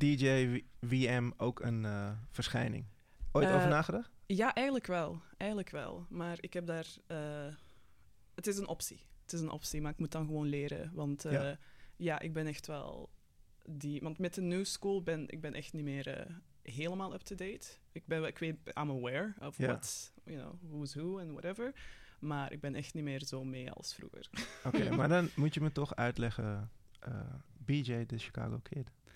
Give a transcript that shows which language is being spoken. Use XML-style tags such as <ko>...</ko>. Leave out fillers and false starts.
<nl>DJ WM ook een verschijning. Ooit over nagedacht? Ja, eigenlijk wel. Maar ik heb daar. Het is een optie. Het is een optie, maar ik moet dan gewoon leren. Want ik ben echt wel die. Want met de new school ben ik echt niet meer. Helemaal up-to-date.</nl> <en>I'm aware of what, you know, who's who and whatever.</en> <nl>Maar ik ben echt niet meer zo mee als vroeger. Oké, maar dan moet je me toch uitleggen BJ, de Chicago Kid.</nl>